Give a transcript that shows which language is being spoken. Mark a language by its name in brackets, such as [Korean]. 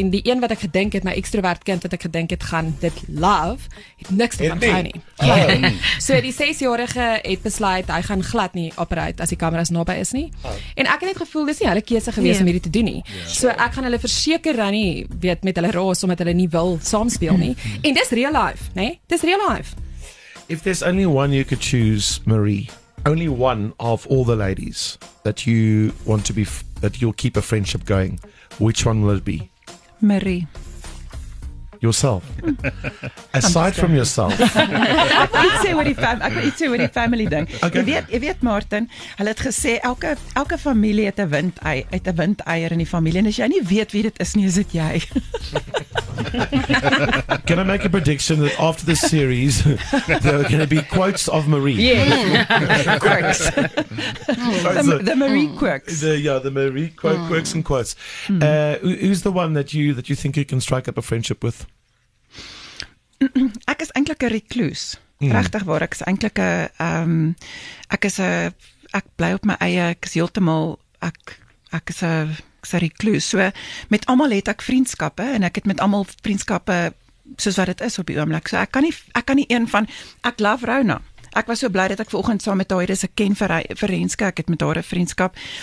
[Afrikaans] En die een wat ek gedink het, my extrovert kind wat ek gedink het gaan dit love, het niks te gaan hou nie. So die 6-jarige het besluit, hy gaan glad nie operate as die kameras naby is nie. En ek het net gevoel, dis nie hulle keuse gewees om hierdie te doen nie. So ek gaan hulle verseker dan nie, weet, met hulle raas, omdat hulle nie wil saamspeel nie. En dis real life, né? Nee? Dis real life. [English] If there's only one you could choose, Marie, only one of all the ladies that you want to be, that you'll keep a friendship going, which one will it be? Marie. Yourself. Aside from yourself. [Afrikaans] Ek wil iets sê oor die family, ding. Okay. Jy weet, Martin, hulle het gesê, elke familie het een windeier in die familie, en as jy nie weet wie dit is nie, is dit jy. [English] Can I make a prediction that after this series there are going to be quotes of Marie? Yeah. Quirks. The Marie quirks. The Marie quirks and quotes. Mm. Who's the one that you think you can strike up a friendship with? [Afrikaans] Ek is eintlik 'n recluse. Mm. Regtig waar, ek is eintlik 'n ek bly op my eie, ek is heeltemal ek is 'n recluse. So met almal het ek vriendskappe en ek het met almal vriendskappe soos wat dit is op die oomblik. So ek kan nie een van ek love Rona. Ek was so bly dat ek vanoggend saam met haar is. Ek ken vir Renske, ek het met haar 'n vriendskap.